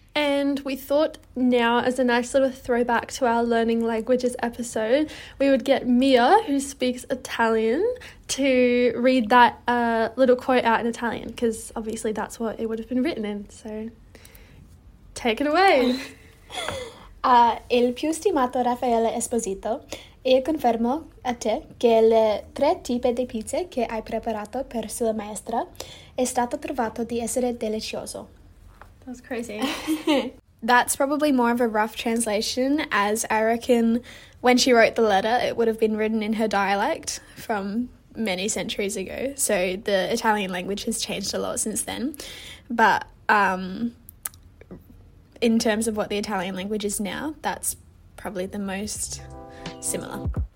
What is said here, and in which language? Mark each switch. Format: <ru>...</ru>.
<en>And we thought now, as a nice little throwback to our learning languages episode, we would get Mia, who speaks Italian, to read that little quote out in Italian, because obviously that's what it would have been written in. So take it away.</en> <it>Il più stimato Raffaele Esposito, io confermo a te che le tre tipi di pizza che hai preparato per sua maestra è stato trovato di essere delicioso.</it> <en>That's crazy. That's probably more of a rough translation, as I reckon when she wrote the letter, it would have been written in her dialect from many centuries ago. So the Italian language has changed a lot since then. But in terms of what the Italian language is now, that's probably the most similar.</en>